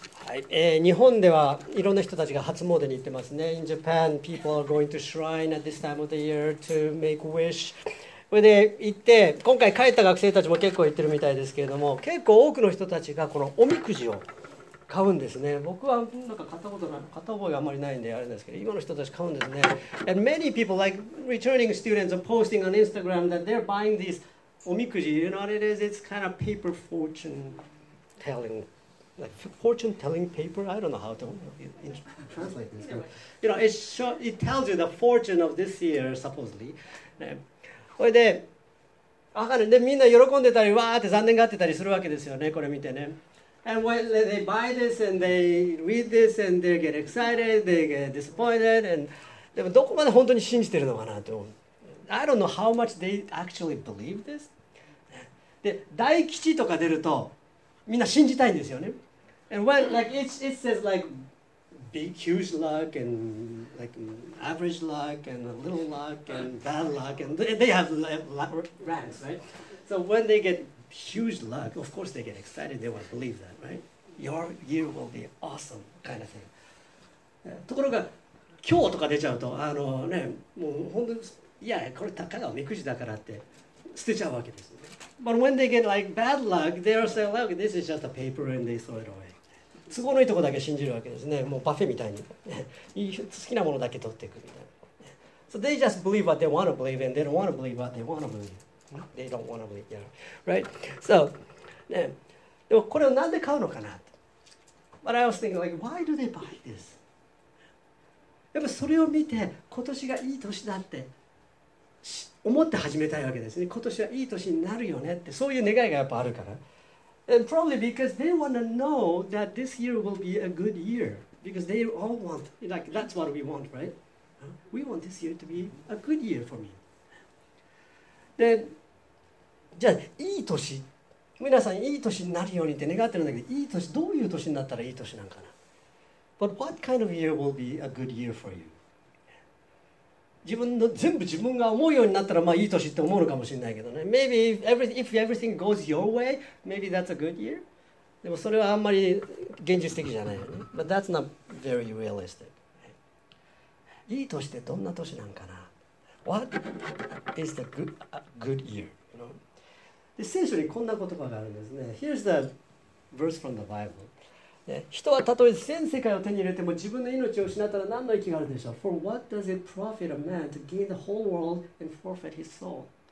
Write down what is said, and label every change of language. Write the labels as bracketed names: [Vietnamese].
[Japanese] 日本ではいろんな人たちが初詣に行ってますね。 [English] In Japan, people are going to shrine at this time of the year to make wish. [Japanese] それで行って、今回帰った学生たちも結構行ってるみたいですけれども、結構多くの人たちがこのおみくじを買うんですね。僕はなんか買ったことない、買った覚えがあんまりないんであれですけど、今の人たち買うんですね。 [English] And many people, like returning students, are posting on Instagram that they're buying these おみくじ. You know what it is? It's kind of paper fortune telling. Like fortune telling paper, I don't know how to translate this. You know, it tells you the fortune of this year, supposedly. [Japanese] それで、わかんない。で、みんな喜んでたり、わーって残念がってたりするわけですよね、これ見てね。 [English] And when they buy this and they read this and they get excited, they get disappointed. And [Japanese] でも、どこまで本当に信じてるのかなと。 [English] I don't know how much they actually believe this. [Japanese] で、大吉とか出ると、みんな信じたいんですよね。 [English] And when like it says like big huge luck and like average luck and a little luck and bad luck and they have ranks, right? So when they get huge luck, of course they get excited. They want to believe that, right? Your year will be awesome kind of thing. [Japanese] ところが今日とか出ちゃうとあのねもう本当にいやこれ高いおみくじだからって捨てちゃうわけです。 [English] But when they get like bad luck, they are saying, "Look, this is just a paper," and they throw it away. [Japanese] 都合のいいとこだけ信じるわけですね。もうパフェみたいに好きなものだけ取っていくみたいな。 [English] So they just believe what they want to believe, and they don't want to believe what they want to believe. They don't want to believe, yeah, right? So, [Japanese] ね、でもこれをなんで買うのかな [English] ？But I was thinking, like, why do they buy this? [Japanese] やっぱそれを見て今年がいい年だって。思って始めたいわけですね。今年はいい年になるよねって、そういう願いがやっぱあるから。 [English] And probably because they want to know that this year will be a good year. Because they all want, like, that's what we want, right? We want this year to be a good year for me. [Japanese] で、じゃあ、いい年。皆さん、いい年になるようにって願ってるんだけど、いい年、どういう年になったらいい年なんかな。 [English] But what kind of year will be a good year for you? [Japanese] 自分の全部自分が思うようになったらまあいい年って思うのかもしれないけどね。 [English] Maybe if everything goes your way, maybe that's a good year. [Japanese] でもそれはあんまり現実的じゃないよね。 [English] But that's not very realistic. [Japanese] いい年ってどんな年なんかな [English] ?What is the good year? You know? [Japanese] で聖書にこんな言葉があるんですね。 [English] Here's the verse from the Bible. [Japanese] 人はたとえ全世界を手に入れても自分の命を失ったら何の意義があるでしょう [English] ?For what does it profit a man to gain the whole world and forfeit his soul?